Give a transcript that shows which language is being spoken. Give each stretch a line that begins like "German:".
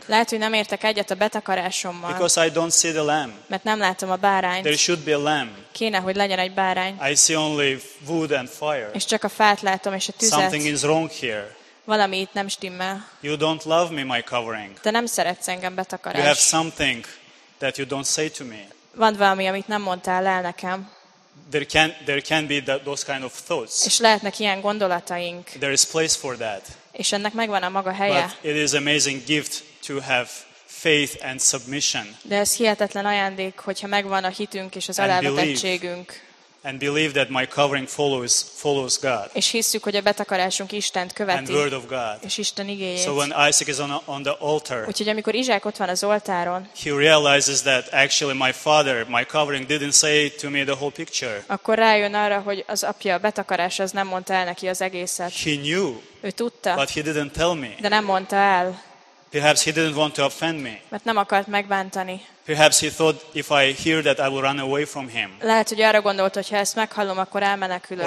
Hungarian: Lehet, hogy nem értek egyet a betakarásommal.
English: Because I don't see the lamb.
Hungarian: Mert nem látom a bárányt.
English: There should be a lamb.
Hungarian: Kéne, hogy legyen egy bárány.
English: I see only wood and fire.
Hungarian: És csak a fát látom és a tüzet.
English: Something is wrong here.
Hungarian: Valami itt nem stimmel.
English: You don't love me, my covering.
Hungarian: Te nem szeretsz engem, betakarás.
English: You have something that you don't say to me.
Hungarian: Van valami, amit nem mondtál el nekem.
English: There can be those kind of thoughts.
Hungarian: És lehetnek ilyen gondolataink.
English: There is place for that.
Hungarian: És ennek megvan a maga helye.
English: But it is amazing gift to have faith and submission.
Hungarian: De ez hihetetlen ajándék, hogyha megvan a hitünk és az alávetettségünk.
English: And believe that my covering follows God.
Hungarian: És hisszük, hogy a betakarásunk Istent követi.
English: And word of God.
Hungarian: És Isten igéjét.
English: So when Isaac is on the altar.
Hungarian: Úgyhogy amikor Izsák ott van az oltáron.
English: He realizes that actually my father, my covering didn't say to me the whole picture.
Hungarian: Akkor rájön arra, hogy az apja, a betakarás az nem mondta el neki az egészet.
English: He knew.
Hungarian: Ő tudta.
English: But he didn't tell me.
Hungarian: De nem mondta el.
English: Perhaps he didn't want to offend me.
Hungarian: Mert nem akart megbántani.
English: Perhaps he thought if I hear that I will run away from him.
Hungarian: Lehet, hogy arra gondolt, hogy ha ezt meghallom, akkor elmenekülök.